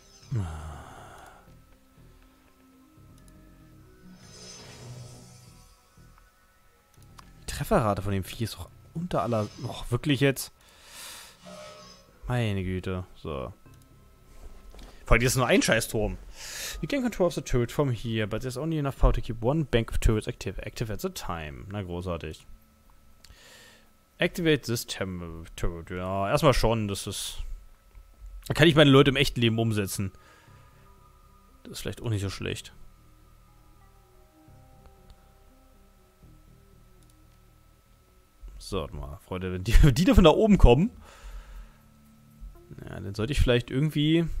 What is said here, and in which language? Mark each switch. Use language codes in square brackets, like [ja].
[de] Die Trefferrate von dem Vieh ist doch unter aller. Och, wirklich jetzt? Meine Güte. So. Vor allem, das ist nur ein Scheißturm. [en] You gain control of the turret from here, but there's only enough power to keep one bank of turrets active at the time. [de] Na, großartig. [en] Activate this turret. [de] Ja, erstmal schon, das ist. Da kann ich meine Leute im echten Leben umsetzen. Das ist vielleicht auch nicht so schlecht. So, warte mal. Freunde, wenn die von da oben kommen. Ja, dann sollte ich vielleicht irgendwie.